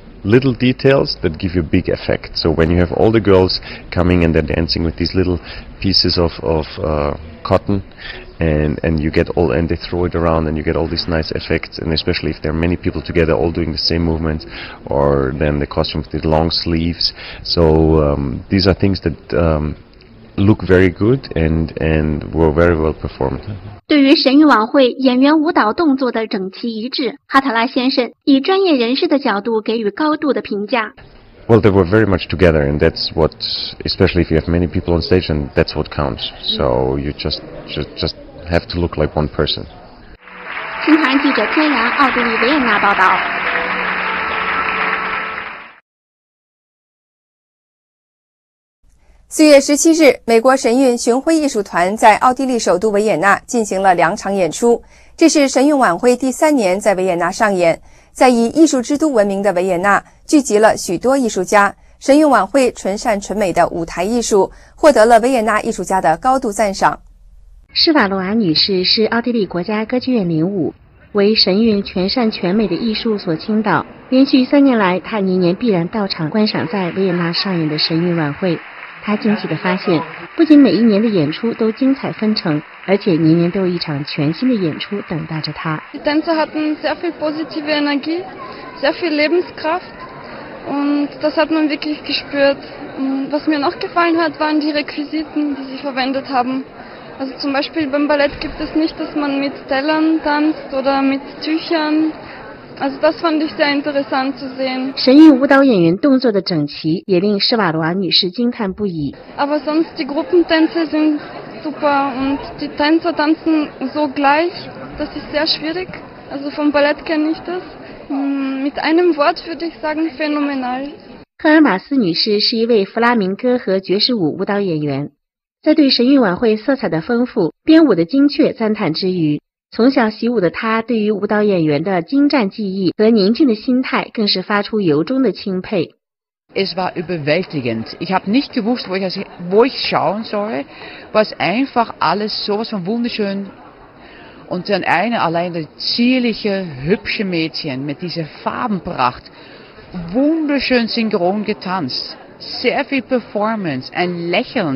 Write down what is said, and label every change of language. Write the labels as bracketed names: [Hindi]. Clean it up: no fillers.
[English] little details that give you a big effect. So when you have all the girls coming and they're dancing with these little pieces of cotton, and you get all, and they throw it around and you get all these nice effects, and especially if there are many people together all doing the same movements, or then the costumes with the long sleeves. So these are things that look very good and were very well performed. [Chinese] 对于神韵晚会演员舞蹈动作的整齐一致，哈塔拉先生以专业人士的角度给予高度的评价。 [English] Well, they were very much together, and that's what, especially if you have many people on stage, and that's what counts. So you just have to look like one person. [Chinese] 新唐人记者天然，奥地利维也纳报道。 4月17日，美国神韵巡回艺术团在奥地利首都维也纳进行了两场演出。这是神韵晚会第三年在维也纳上演。在以艺术之都闻名的维也纳，聚集了许多艺术家。神韵晚会纯善纯美的舞台艺术，获得了维也纳艺术家的高度赞赏。施瓦罗娃女士是奥地利国家歌剧院领舞，为神韵全善全美的艺术所倾倒。连续三年来，她年年必然到场观赏在维也纳上演的神韵晚会。他惊喜地发现，不仅每一年的演出都精彩纷呈，而且年年都有一场全新的演出等待着他。 [German] Die Tänzer hatten sehr viel positive Energie, sehr viel Lebenskraft, und das hat man wirklich gespürt. Was mir noch gefallen hat, waren die Requisiten, die sie verwendet haben. Also zum Beispiel beim Ballett gibt es nicht, dass man mit Tellern tanzt oder mit Tüchern. Also das fand ich sehr interessant zu sehen. [Chinese] 神韵舞蹈演员动作的整齐也令施瓦罗娃女士惊叹不已。 [German] Aber sonst die Gruppentänze sind super und die Tänzer tanzen so gleich. Das ist sehr schwierig. Also vom Ballett kenne ich das. Mit einem Wort würde ich sagen phänomenal. [Chinese] 赫尔马斯女士是一位弗拉明戈和爵士舞舞蹈演员，在对神韵晚会色彩的丰富、编舞的精确赞叹之余。从小习武的他对于舞蹈演员的精湛技艺和宁静的心态更是发出由衷的钦佩。 [German] Es war überwältigend. Ich habe nicht gewusst, wo ich schauen soll, was einfach alles sowas von wunderschön. Und dann eine alleine zierliche, hübsche Mädchen mit dieser Farbenpracht, wunderschön synchron getanzt, sehr viel Performance, ein Lächeln.